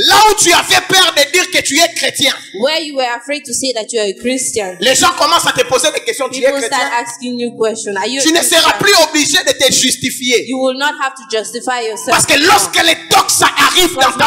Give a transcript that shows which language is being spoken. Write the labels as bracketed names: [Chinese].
[French] Là où tu avais peur de dire que tu es chrétien. [English] Where you were afraid to say that you are a Christian. [French] Les gens commencent à te poser des questions. [English] People [French] tu es chrétien. [English] Start asking you questions. Are you [French] tu [English] a Christian? [French] Ne seras plus obligé de te justifier. [English] You will not have to justify yourself. [French] Parce que lorsque les doxa arrivent dans ta